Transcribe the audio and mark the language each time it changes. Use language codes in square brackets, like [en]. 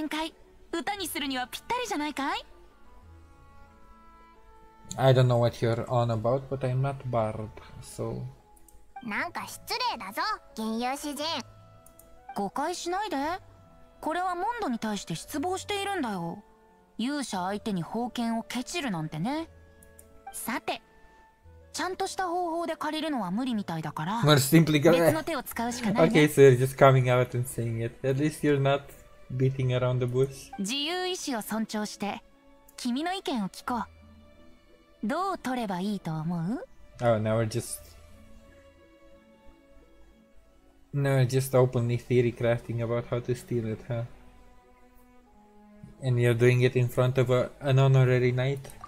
[ja] わかってたのかよ。ま、騎士団のスーパールーキーの実力を見たかっただけだからさ。それにほら、勇者が村に伝わる宝剣を手にする。こんな展開、歌にするにはぴったりじゃないかい? [en] I don't know what you're on about, but I'm not bard, so... [ja] なんか失礼だぞ、銀遊詩人。誤解しないで。これはモンドに対して失望しているんだよ。勇者相手に宝剣を蹴散るなんてね。さて、ちゃんとした方法で借りるのは無理みたいだから。別の手を使うしかないね。 [en] Okay, so you're just coming out and saying it. At least you're not beating around the bush. [ja] 自由意志を尊重して、君の意見を聞こう。どう取ればいいと思う? [en] Oh, now we're just openly theory crafting about how to steal it, huh? And you're doing it in front of an honorary knight?